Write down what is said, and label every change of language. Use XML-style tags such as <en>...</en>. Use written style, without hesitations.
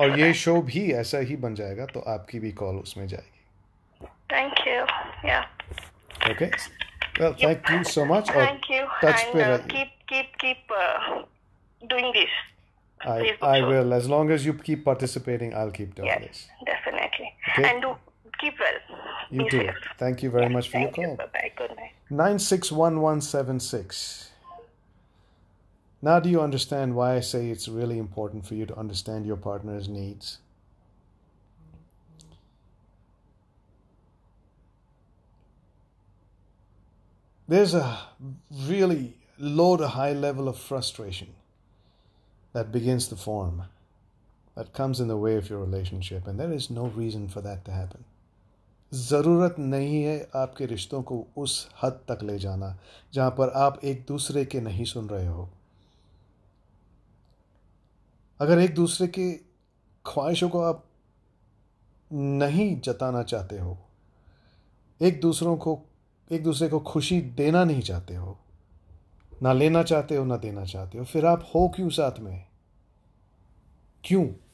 <hi>और ये शो भी ऐसा ही बन जाएगा तो आपकी भी कॉल उसमें जाएगी.</hi> <en>Thank you. Yeah. Okay. Well, thank you so much. Thank you. Touch and pe keep doing this. I will. As long as you keep participating, I'll keep doing this. Yes, definitely. Okay. And keep well. You too. Thank you very much for your call. Thank you. Bye-bye. Good night. 961176. Now, do you understand why I say it's really important for you to understand your partner's needs? There's a really low to high level of frustration that begins to form, that comes in the way of your relationship, and there is no reason for that to happen.</en> <hi>ज़रूरत नहीं है आपके रिश्तों को उस हद तक ले जाना जहाँ पर आप एक दूसरे के नहीं सुन रहे हो. अगर एक दूसरे के ख्वाहिशों को आप नहीं जताना चाहते हो, एक दूसरे को खुशी देना नहीं चाहते हो, ना लेना चाहते हो ना देना चाहते हो, फिर आप हो क्यों साथ में? क्यों?</hi>